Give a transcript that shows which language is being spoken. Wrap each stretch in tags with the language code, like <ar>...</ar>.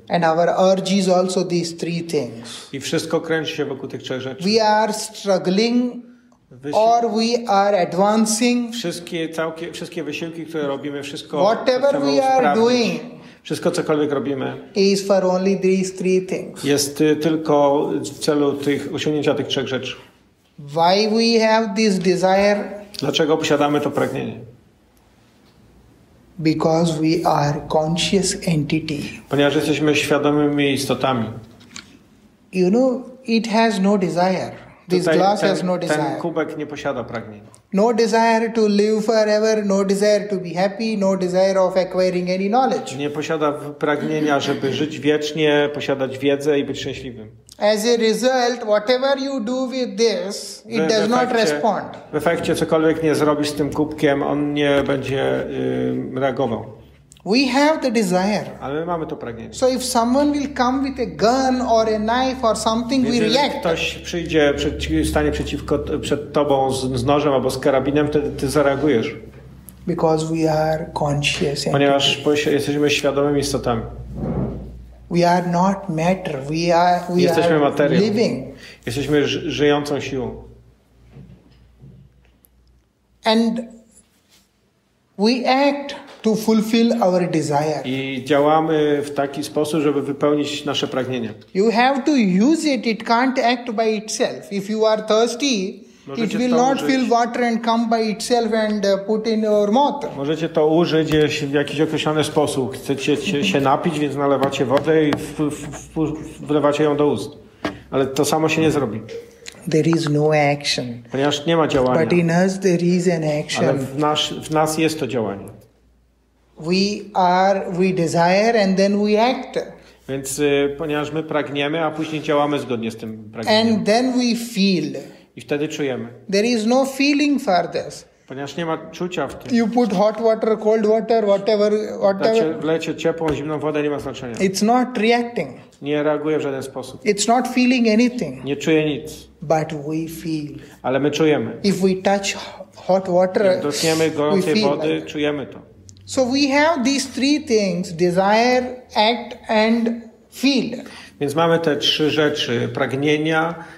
<en>And our urge is also these three things.</en> <pl>I wszystko kręci się wokół tych trzech rzeczy.</pl> <en>We are struggling. Or we are advancing.</en> <pl>Wszystkie wysiłki, które robimy, wszystko.</pl> <en>Whatever we are doing.</en> <pl>Wszystko, cokolwiek robimy.</pl> <en>Is for only these three things.</en> <pl>Jest tylko w celu osiągnięcia tych trzech rzeczy.</pl> <en>Why we have this desire?</en> <pl>Dlaczego posiadamy to pragnienie?</pl> <en>Because we are conscious entity.</en> <pl>Ponieważ jesteśmy świadomymi istotami.</pl> <en>You know, it has no desire. This glass has no desire.</en> <pl>Ten kubek nie posiada pragnienia.</pl> <en>No desire to live forever, no desire to be happy, no desire of acquiring any knowledge.</en> <pl>Nie posiada pragnienia, żeby żyć wiecznie, posiadać wiedzę i być szczęśliwym.</pl> <en>As a result, whatever you do with this, it does not respond.</en> <pl>W efekcie, cokolwiek nie zrobisz z tym kubkiem, on nie będzie reagował.</pl> <en>We have the desire.</en> <pl>Ale my mamy to pragnienie.</pl> <en>So if someone will come with a gun or a knife or something,</en> <pl>Więc</pl> <en>we react.</en> <pl>Ktoś przyjdzie, stanie przeciwko przed tobą z nożem albo z karabinem, wtedy ty zareagujesz.</pl> <en>Because we are conscious.</en> <pl>Ponieważ jesteśmy świadomymi istotami.</pl> <en>We are not matter.</en> <pl>Jesteśmy materią.</pl> <en>Living.</en> <pl>Jesteśmy żyjącą siłą.</pl> <en>And we act to fulfill our desire.</en> <pl>I działamy w taki sposób, żeby wypełnić nasze pragnienie.</pl> <en>You have to use it. It can't act by itself. If you are thirsty,</en> <pl>możecie</pl> <en>it will not</en> <pl>użyć.</pl> <en>Fill water and come by itself and put in your mouth.</en> <pl>Możecie to użyć w jakiś określony sposób. Chcecie się napić, więc nalewacie wodę i wlewacie ją do ust. Ale to samo się nie zrobi.</pl> <en>There is no action.</en> <pl>Ponieważ nie ma działania.</pl> <en>But in us there is an action.</en> <pl>Ale w nas jest to działanie.</pl> <en>We desire and then we act.</en> <pl>Więc ponieważ my pragniemy, a później działamy zgodnie z tym pragnieniem.</pl> <en>And then we feel.</en> <pl>I wtedy czujemy.</pl> <en>There is no feeling for this.</en> <pl>Ponieważ nie ma czucia w tym.</pl> <en>You put hot water, cold water, whatever.</en> <pl>Wlecie ciepłą, zimną wodę, nie ma znaczenia.</pl> <en>It's not reacting.</en> <pl>Nie reaguje w żaden sposób.</pl> <en>It's not feeling anything.</en> <pl>Nie czuje nic.</pl> <en>But we feel.</en> <pl>Ale my czujemy.</pl> <en>If we touch hot water,</en> <pl>jak dotkniemy gorącej wody, like czujemy to.</pl> <en>So we have these three things: desire, act, and feel.</en> <pl>Więc mamy te trzy rzeczy: pragnienia,</pl>